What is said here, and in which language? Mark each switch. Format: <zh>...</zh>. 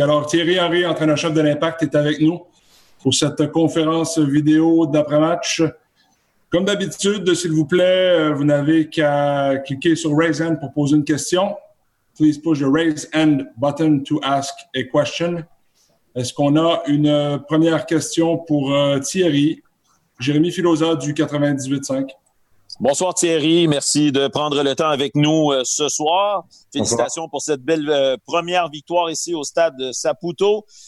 <fr>Alors, Thierry Henry, entraîneur-chef de l'Impact, est avec nous pour cette conférence vidéo d'après-match. Comme d'habitude, s'il vous plaît, vous n'avez qu'à cliquer sur Raise Hand pour poser une question.</fr> <en>Please push the Raise Hand button to ask a question.</en> <fr>Est-ce qu'on a une première question pour Thierry? Jérémy Filosa du 98.5. Bonsoir Thierry, merci de prendre le temps avec nous ce soir. Félicitations. Bonsoir. Pour cette belle première victoire ici au stade Saputo.</fr>